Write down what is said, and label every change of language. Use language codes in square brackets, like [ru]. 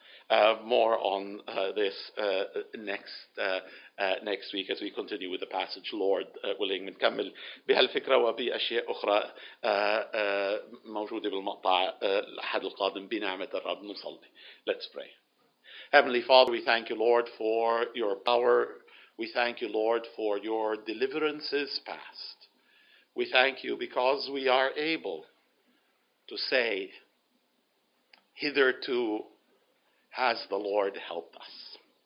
[en] More on this next week as we continue with the passage, Lord willing. [ar] منكمل بهالفكرة وبأشياء أخرى موجودة بالمقطع الأحد القادم بنعمة الرب نصلي. [en] Let's pray. Heavenly Father, we thank you, Lord, for your power. We thank you, Lord, for your deliverances past. We thank you because we are able to say, hitherto has the Lord helped us.